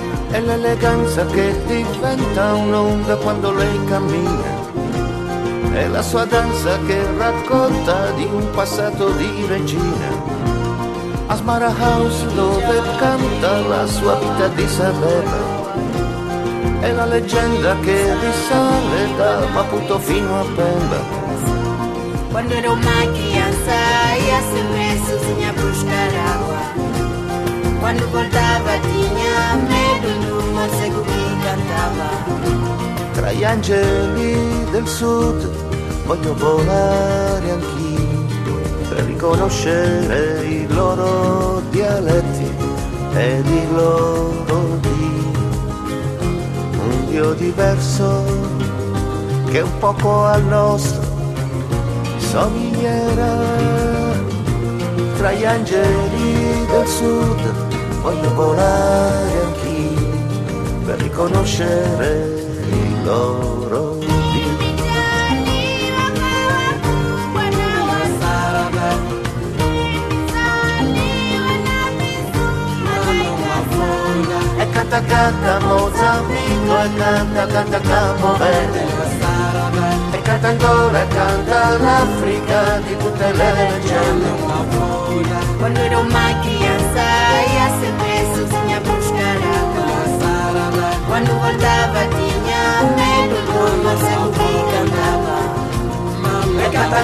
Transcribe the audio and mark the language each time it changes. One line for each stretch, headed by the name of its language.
Italian: È l'eleganza che diventa un'onda quando lei cammina, è la sua danza che racconta di un passato di regina, Asmara House dove canta la sua vita di Isabella. È la leggenda che risale da Maputo fino a Pemba.
Portuguese: Quando era una criança ia sempre sozinha buscar água. Quando voltava tinha medo do morcego que cantava.
Italian: Tra gli angeli del sud voglio volare anch'io, per riconoscere i loro dialetti ed i loro dì. Diverso che un poco al nostro somiglierà. Tra gli angeli del sud voglio volare anch'io, per riconoscere i loro canta Mozambico e canta Cabo Verde, e canta Angola e canta l'Africa di tutte le leggende.
Portuguese: Quando era una criança ia sempre sozinha buscar água. Quando voltava tinha medo do morcego que cantava.